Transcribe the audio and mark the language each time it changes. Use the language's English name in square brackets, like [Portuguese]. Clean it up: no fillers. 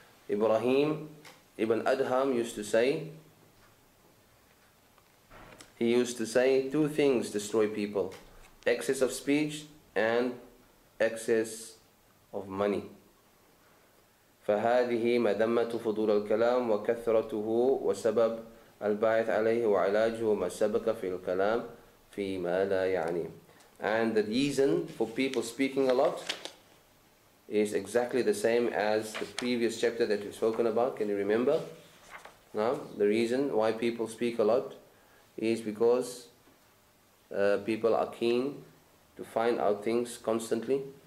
[English] Ibrahim ibn Adham used to say, he used to say, two things destroy people: excess of speech and excess of money. [Arabic] فهذه مذمة فضول الكلام وكثرته وسبب الباعث عليه وعلاجه وما سبق في الكلام فيما لا يعني. [English] And the reason for people speaking a lot is exactly the same as the previous chapter that we've spoken about. Can you remember? No? The reason why people speak a lot is because people are keen to find out things constantly.